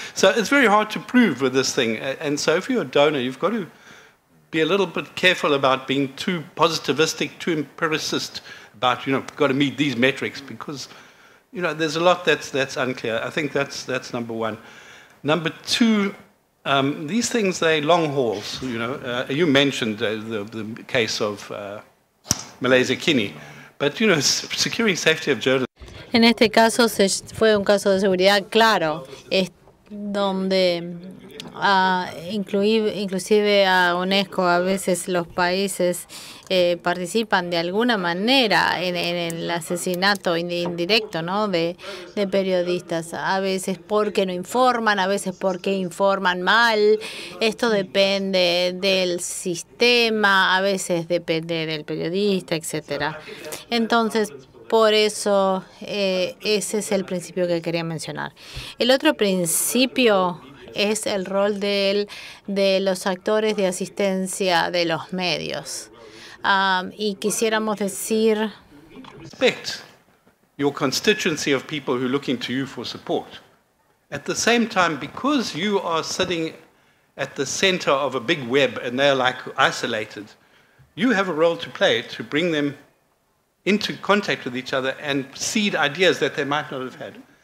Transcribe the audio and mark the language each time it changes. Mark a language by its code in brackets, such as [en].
[en] So it's very hard to prove with this thing. And so if you're a donor, you've got to be a little bit careful about being too positivistic, too empiricist about, you know, got to meet these metrics, because, you know, there's a lot that's unclear. I think that's number one. Number two, these things, they're long hauls, you know. You mentioned the case of Malaysia Kini, but, you know, securing safety of journalists. [es] En este caso fue un caso de seguridad claro, es donde inclusive a UNESCO a veces los países participan de alguna manera en el asesinato indirecto, ¿no? De periodistas, a veces porque no informan, a veces porque informan mal. Esto depende del sistema, a veces depende del periodista, etcétera. Entonces, por eso, ese es el principio que quería mencionar. El otro principio es el rol de los actores de asistencia de los medios. Y quisiéramos decir... [en] Respect your constituency of people who are looking to you for support. At the same time, because you are sitting at the center of a big web and they are like isolated, you have a role to play to bring them into contact with each other and seed ideas that they might not have had.